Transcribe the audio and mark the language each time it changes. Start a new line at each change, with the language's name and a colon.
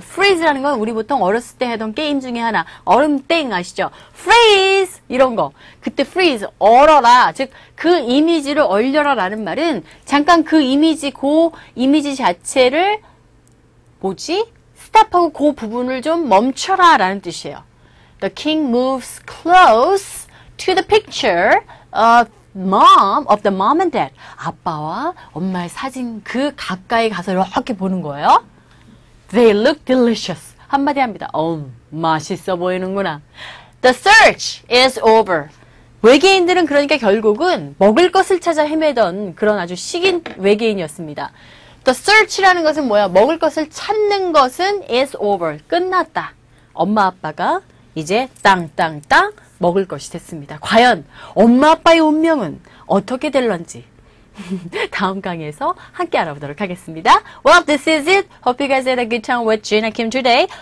Korean: freeze라는 건 우리 보통 어렸을 때 하던 게임 중에 하나 얼음땡 아시죠? freeze 이런 거 그때 freeze 얼어라 즉 그 이미지를 얼려라 라는 말은 잠깐 그 이미지 그 이미지 자체를 뭐지? 스탑하고 그 부분을 좀 멈춰라 라는 뜻이에요.
English: The king moves close to the picture of mom, of the mom and dad.
Korean: 아빠와 엄마의 사진 그 가까이 가서 이렇게 보는 거예요.
English: They look delicious.
Korean: 한마디 합니다. 맛있어 보이는구나.
English: The search is over.
Korean: 외계인들은 그러니까 결국은 먹을 것을 찾아 헤매던 그런 아주 식인 외계인이었습니다.
English: The search
Korean: 라는 것은 뭐야? 먹을 것을 찾는 것은
English: is over.
Korean: 끝났다. 엄마 아빠가 이제 땅땅땅 먹을 것이 됐습니다. 과연 엄마 아빠의 운명은 어떻게 될런지 다음 강의에서 함께 알아보도록 하겠습니다.
English: Well, this is it. Hope you guys had a good time with Gina Kim today.